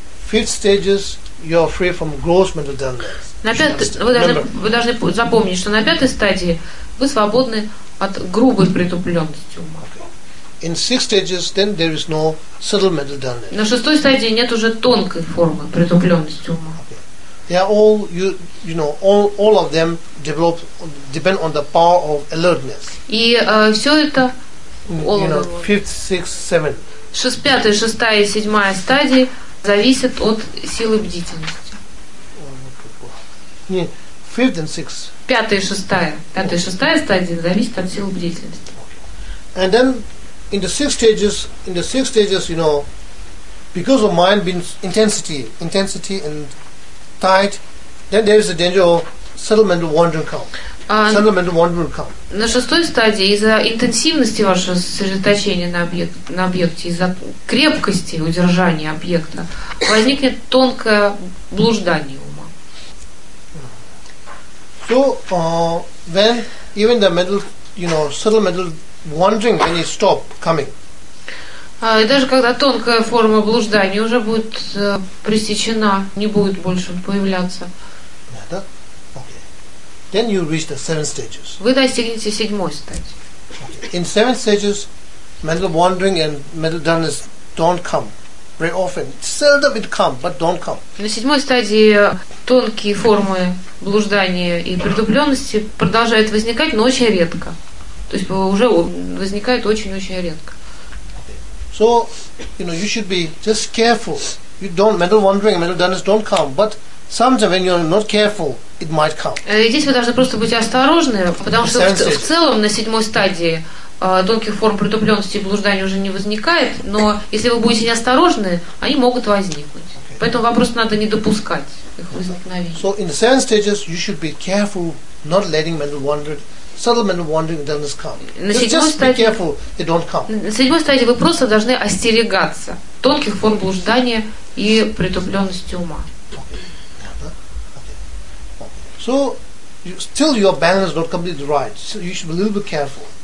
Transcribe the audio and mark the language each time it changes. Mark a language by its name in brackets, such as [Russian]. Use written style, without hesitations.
[English] Fifth stages, you are free from gross mental dullness. [Russian] Вы должны запомнить, что на пятой стадии вы свободны от грубой притупленности ума. [English] In six stages, then there is no subtle mental dullness. [Russian] На шестой стадии нет уже тонкой формы притупленности ума. [English] They are all all of them develop depend on the power of alertness. [Russian] И все это. [English] Fifth, sixth, seventh. [Russian] Пятая, шестая, седьмая стадии зависят от силы бдительности. [English] Не, fifth and sixth. [Russian] Пятая, шестая стадии зависят от силы бдительности. [English] And then. In the six stages, you know, because of mind being intensity and tight, then there is a danger of settlement of wandering come. Settlement of wandering will come. [Russian] На шестой стадии из-за интенсивности вашего сосредоточения на объекте, из-за крепкости удержания объекта, возникнет тонкое блуждание ума. [English] So when even the mental, you know, settlement wandering when it stop coming. [Russian] И даже когда тонкая форма блуждания уже будет пресечена, не будет больше появляться. [English] Yeah, that? Okay. Then you reach the seven stages. [Russian] Вы достигнете седьмой стадии. [English] Okay. In seven stages, mental wandering and mental dullness don't come. Very often. Seldom it come, but don't come. [Russian] На седьмой стадии тонкие формы блуждания и притупленности продолжают возникать, но очень редко. То есть уже возникает очень-очень редко. [English] So, you know, you should be just careful. You don't mental wandering, mental dullness don't come, but sometimes when you're not careful, it might come. [Russian] Здесь вы должны просто быть осторожны, потому что в целом на седьмой стадии тонких форм притупленности и блужданий уже не возникает, но если вы будете неосторожны, они могут возникнуть. [English] Okay. [Russian] Поэтому вам просто надо не допускать их возникновения. [English] So in the seven stages you should be careful not letting mental wandering. Settlement wandering doesn't come. Just be careful, it don't come. [Russian] На седьмой стадии вы просто должны остерегаться тонких форм блуждания и притупленности ума. [English] So still your balance is not completely right. So you should be a little bit careful.